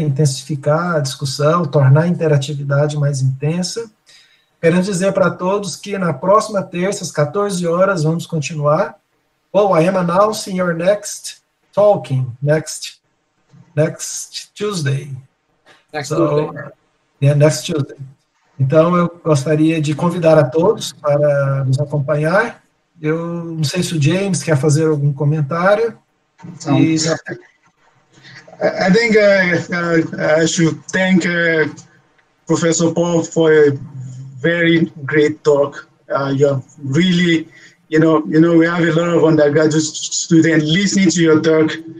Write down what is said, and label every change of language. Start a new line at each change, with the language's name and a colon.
Portuguese: Intensificar a discussão, tornar a interatividade mais intensa. Querendo dizer para todos que na próxima terça, às 14 horas, vamos continuar.
English: Well, I am announcing your next talking, next Tuesday. Next Tuesday.
Portuguese: Então, eu gostaria de convidar a todos para nos acompanhar. Eu não sei se o James quer fazer algum comentário.
English: I should thank Professor Paul for a very great talk. You're really, you know, we have a lot of undergraduate students listening to your talk.